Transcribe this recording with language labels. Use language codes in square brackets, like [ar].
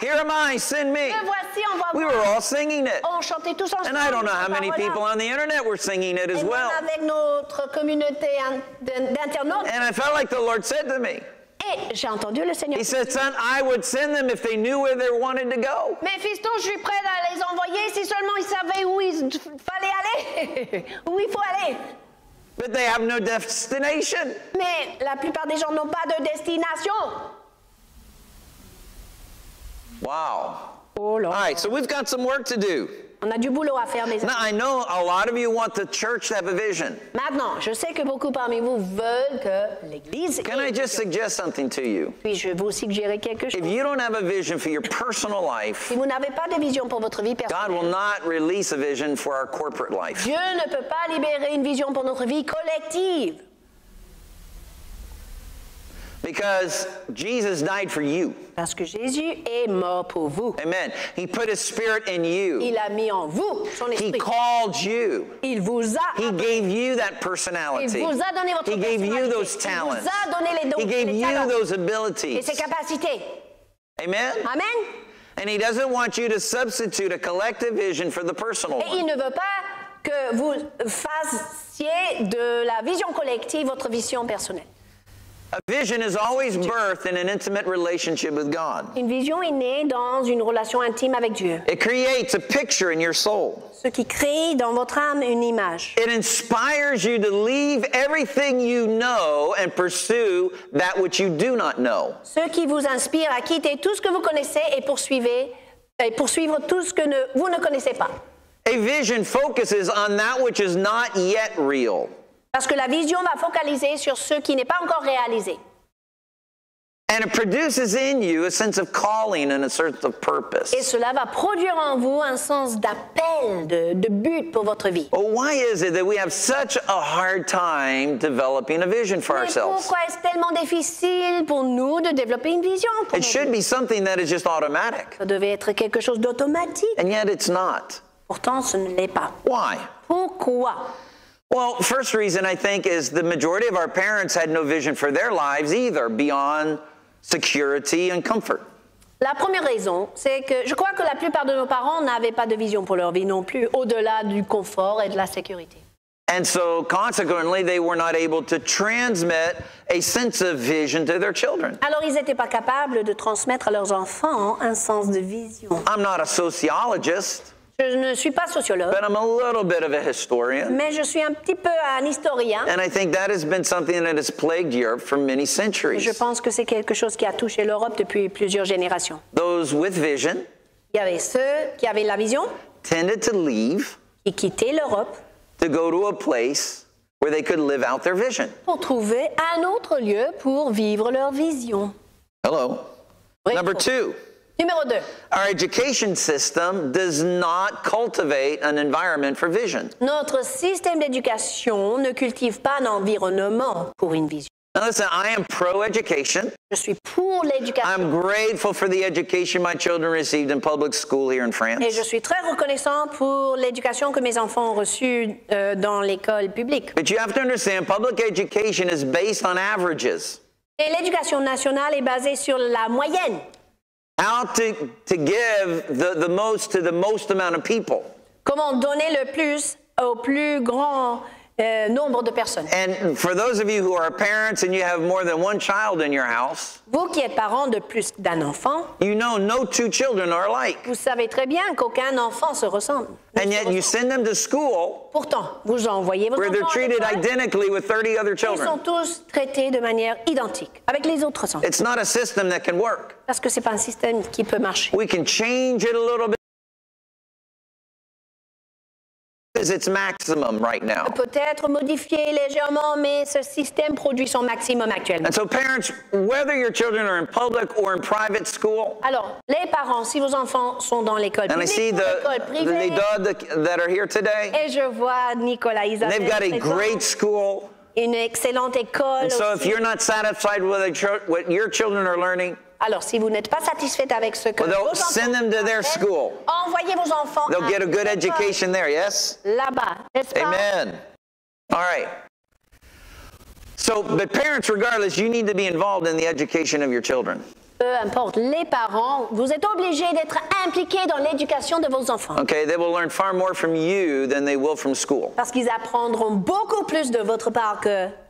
[en] Here am I, send me. [fr] Me voici, envoie-moi. [en] We were all singing it. [fr] On chantait tous ensemble. [en] And I don't know how many people on the internet were singing it as well. [fr] Avec notre communauté d'internautes. [en] And I felt like the Lord said to me. [fr] Et j'ai entendu le Seigneur. [en] He said, son, I would send them if they knew where they wanted to go. [fr] Mais fiston, je suis prêt à les envoyer si seulement ils savaient où il fallait aller. Où il faut aller. [en] But they have no destination. [fr] Mais la plupart des gens n'ont pas de destination. [en] Wow. [fr] Oh là. [en] All right, so we've got some work to do. [fr] On a du boulot à faire, mes amis. [en] Now, I know a lot of you want the church to have a vision. [fr] Maintenant, je sais que beaucoup parmi vous veulent que l'église. [en] Can I just suggest something to you? [fr] Puis-je vous suggérer quelque chose? [en] If you don't have a vision for your personal life, [fr] si vous n'avez pas de vision pour votre vie personnelle, [en] God will not release a vision for our corporate life. [fr] Dieu ne peut pas libérer une vision pour notre vie collective. [en] Because Jesus died for you. [fr] Parce que Jésus est mort pour vous. [en] Amen. He put his spirit in you. [fr] Il a mis en vous son esprit. [en] He called you. [fr] Il vous a [en] he gave you that personality. [fr] Il vous a donné votre [en] he [fr] personnalité. [en] Gave you those talents. [fr] Il vous a donné les dons, [en] he gave [fr] les [en] you [fr] talents. [en] Those abilities. [fr] Et ses capacités. [en] Amen. [fr] Amen. [en] And he doesn't want you to substitute a collective vision for the personal [fr] et [en] one. [fr] Et il ne veut pas que vous fassiez de la vision collective votre vision personnelle. [en] A vision is always birthed in an intimate relationship with God. [fr] Une vision est née dans une relation intime avec Dieu. [en] It creates a picture in your soul. [fr] Ce qui crée dans votre âme une image. [en] It inspires you to leave everything you know and pursue that which you do not know. [fr] Ce qui vous inspire à quitter tout ce que vous connaissez et poursuivre tout ce que vous ne connaissez pas. [en] A vision focuses on that which is not yet real. [fr] Parce que la vision va focaliser sur ce qui n'est pas encore réalisé. [en] And it produces in you a sense of calling and a sense of purpose. [fr] Et cela va produire en vous un sens d'appel, de but pour votre vie. [en] Well, why is it that we have such a hard time developing a vision for [fr] mais [en] ourselves? [fr] Pourquoi est-ce tellement difficile pour nous de développer une vision pour [en] it [fr] nous? [en] Should be something that is just automatic. [fr] Ça devait être quelque chose d'automatique. [en] And yet it's not. [fr] Pourtant, ce ne l'est pas. [en] Why? [fr] Pourquoi? [en] Well, first reason I think is the majority of our parents had no vision for their lives either, beyond security and comfort. [fr] La première raison, c'est que je crois que la plupart de nos parents n'avaient pas de vision pour leur vie non plus, au-delà du confort et de la sécurité. [en] And so, consequently, they were not able to transmit a sense of vision to their children. [fr] Alors, ils n'étaient pas capables de transmettre à leurs enfants un sens de vision. [en] I'm not a sociologist. [fr] Je ne suis pas sociologue. [en] But I'm a little bit of a historian. [fr] Mais je suis un petit peu un historien. [en] And I think that has been something that has plagued Europe for many centuries. [fr] Je pense que c'est quelque chose qui a touché l'Europe depuis plusieurs générations. [en] Those with vision. [fr] Il y avait ceux qui avaient la vision. [en] Tended to leave. [fr] Et quittaient l'Europe. [en] To go to a place where they could live out their vision. [fr] Pour trouver un autre lieu pour vivre leur vision. [en] Hello. [fr] Oui, [en] number two. [fr] Numéro deux. [en] Our education system does not cultivate an environment for vision. [fr] Notre système d'éducation ne cultive pas un environnement pour une vision. [en] Now listen, I am pro-education. [fr] Je suis pour l'éducation. [en] I'm grateful for the education my children received in public school here in France. [fr] Et je suis très reconnaissant pour l'éducation que mes enfants ont reçue dans l'école publique. [en] But you have to understand, public education is based on averages. [fr] Et l'éducation nationale est basée sur la moyenne. [en] How to give the most to the most amount of people. [fr] Comment donner le plus au plus grand nombre de personnes. [en] And for those of you who are parents and you have more than one child in your house, [fr] vous qui êtes parents de plus d'un enfant, [en] you know no two children are alike. [fr] Vous savez très bien qu'aucun enfant se ressemble. [en] And yet you send them to school. [fr] Pourtant, vous envoyez vos enfants à l'école. [en] Where they're treated identically with 30 other children. [fr] Ils sont tous traités de manière identique avec les autres enfants. [en] It's not a system that can work. [fr] Parce que c'est pas un système qui peut marcher. [en] We can change it a little bit. Is its maximum right now. [fr] Peut-être modifié légèrement, mais ce système produit son maximum actuellement. [en] And so parents, whether your children are in public or in private school, [fr] alors, les parents, si vos enfants sont dans l'école publique ou l'école privée, [en] and I see [fr] l'école privée, [en] the dad that are here today, [fr] et je vois Nicolas, Isabelle, [en] they've got a great school, [fr] une excellente école [en] and [fr] aussi. [en] So if you're not satisfied with what your children are learning, [fr] alors, si vous n'êtes pas satisfaite avec ce que [en] well, [fr] vos enfants [en] to their school. [fr] Envoyez vos enfants [en] they'll get a good education there, yes? [fr] Là-bas, n'est-ce pas? [en] Amen. All right. So, but parents, regardless, you need to be involved in the education of your children. [fr] Peu importe, les parents, vous êtes obligés d'être impliqués dans l'éducation de vos enfants. [en] Okay, they will learn far more from you than they will from school. [fr] Parce qu'ils apprendront beaucoup plus de votre part que...